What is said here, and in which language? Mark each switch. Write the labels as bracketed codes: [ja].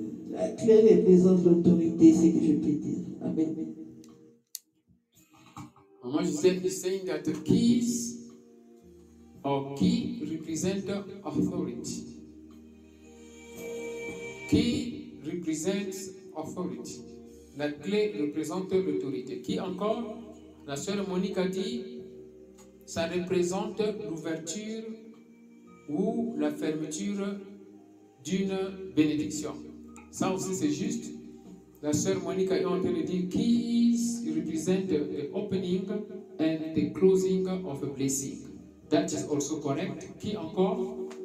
[fr] La clé représente l'autorité, c'est ce que je peux dire. Amen, amen. Maman, je disais, [en] saying that the keys or key represent authority. Key represents authority. [fr] La clé représente l'autorité. Qui encore? La sœur Monique a dit, ça représente l'ouverture ou la fermeture d'une bénédiction. Ça aussi c'est juste. La sœur Monique a entendu dire, [en] keys represent the opening and the closing of a blessing. That is also correct. [fr] Qui encore?